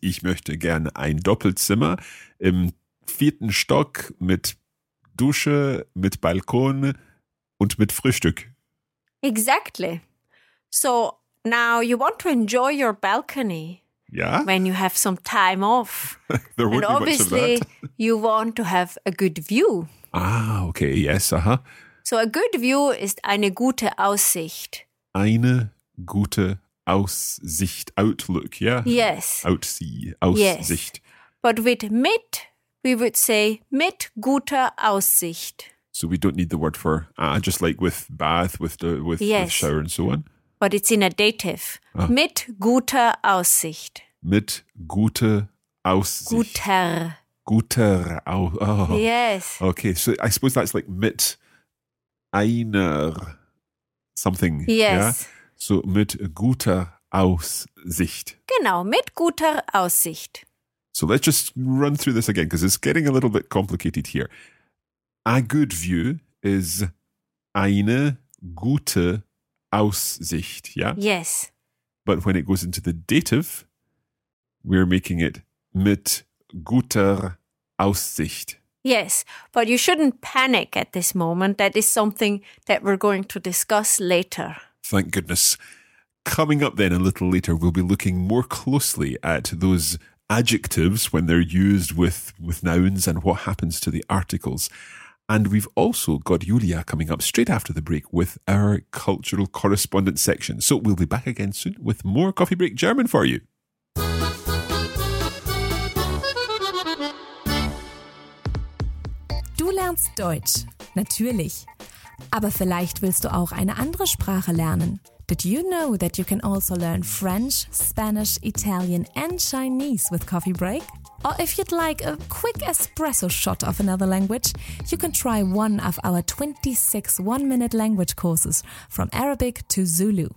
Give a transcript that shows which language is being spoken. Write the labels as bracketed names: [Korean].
[German] Ich möchte gern ein Doppelzimmer im vierten Stock mit Dusche, mit Balkon und mit Frühstück. [English] Exactly. So now you want to enjoy your balcony. Yeah. When you have some time off. There won't be obviously much of that. You want to have a good view. Ah, okay. Yes, So a good view [German] ist eine gute Aussicht. eine gute Aussicht, [English] outlook, yeah? Yes. Outsee, Aussicht. Yes. But with mit, we would say [German] mit guter Aussicht. [English] So we don't need the word for, just like with bath, with shower and so on. But it's in a dative. Ah. [German] Mit guter Aussicht. Mit guter Aussicht. Guter. Guter Aussicht. Oh. [English] Yes. Okay, so I suppose that's like mit einer something. Yes. Yeah? So [German] mit guter Aussicht. Genau, mit guter Aussicht. [English] So let's just run through this again, because it's getting a little bit complicated here. A good view is [German] eine gute Aussicht, [English] yeah? Yes. But when it goes into the dative, we're making it [German] mit guter Aussicht. [English] Yes, but you shouldn't panic at this moment. That is something that we're going to discuss later. Thank goodness. Coming up then a little later, we'll be looking more closely at those adjectives when they're used with nouns and what happens to the articles. And we've also got Julia coming up straight after the break with our cultural correspondence section. So we'll be back again soon with more Coffee Break German for you. [German] Du lernst Deutsch, natürlich. Aber vielleicht willst du auch eine andere Sprache lernen. [English] Did you know that you can also learn French, Spanish, Italian and Chinese with Coffee Break? Or if you'd like a quick espresso shot of another language, you can try one of our 26 one-minute language courses from Arabic to Zulu.